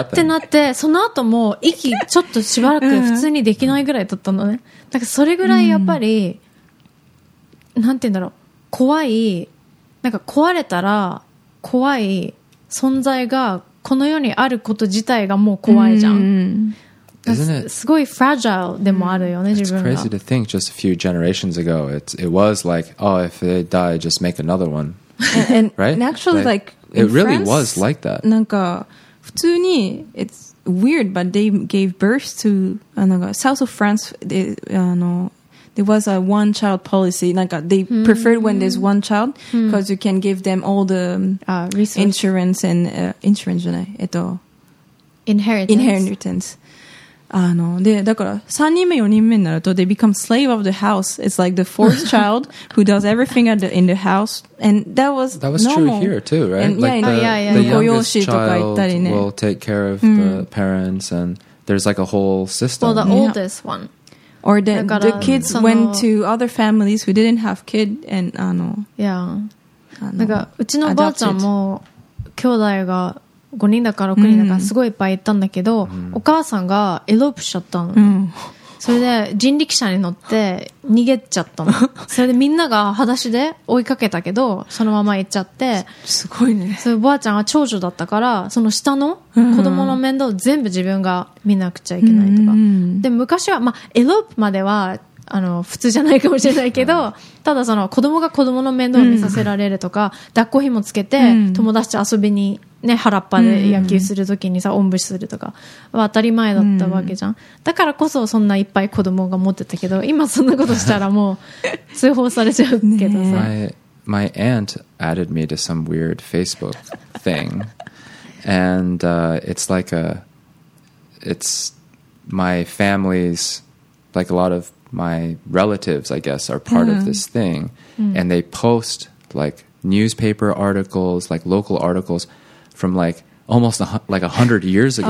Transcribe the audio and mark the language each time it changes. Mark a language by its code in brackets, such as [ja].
[ja] ってなってその後も息ちょっとしばらく普通にできないぐらい取ったのねだからそれぐらいやっぱり、うん、なんて言うんだろう怖いなんか壊れたら怖い存在がこの世にあること自体がもう怖いじゃん、うん、すごいフラジャルでもあるよね、うん、自分が [en] It's crazy to think just a few generations ago it was like oh if they die just make another one and, right? And actually like it really was like that [ja] なんか普通に [en] it's weird but they gave birth to あの South of France they, あの there was a one child policy. Like they preferred when there's one child because you can give them all the insurance and insurance [ja] じゃない [en] inheritance. [ja] で、だから3人目4人目になると [en] they become slave of the house. It's like the fourth child who does everything in the house. And that was normal. True here too, right? The youngest child will take care of the parents and there's like a whole system. Well, the oldest one. Or the kids went to other families who didn't have kid and [ja] なんかうちのおばあちゃんも兄弟が5人だから6人だからすごいいっぱい行ったんだけど、うん、お母さんがエロープしちゃったの、うん、それで人力車に乗って逃げちゃったのそれでみんなが裸足で追いかけたけどそのまま行っちゃってすごいねそれおばあちゃんが長女だったからその下の子供の面倒全部自分が見なくちゃいけないとか、うん、で昔は、ま、エロープまでは普通じゃないかもしれないけど、うん、ただその子供が子供の面倒を見させられるとか、うん、抱っこひもつけて友達と遊びにね、腹っぱで野球するときにさ、うん、おんぶしするとかは当たり前だったわけじゃん、うん、だからこそそんないっぱい子供が持ってたけど今そんなことしたらもう通報されちゃうけどさ、 [en] ね、my aunt added me to some weird Facebook thing and it's like a it's my family's like a lot of my relatives I guess are part、うん、of this thing、うん、and they post like newspaper articles like local articlesfrom like almost like 100 years ago、